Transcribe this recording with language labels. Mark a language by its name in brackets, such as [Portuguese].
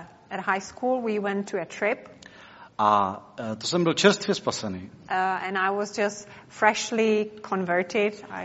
[English] at high school we went to a trip. [Czech] A to jsem byl čerstvě spasený. [English] And I was just freshly converted.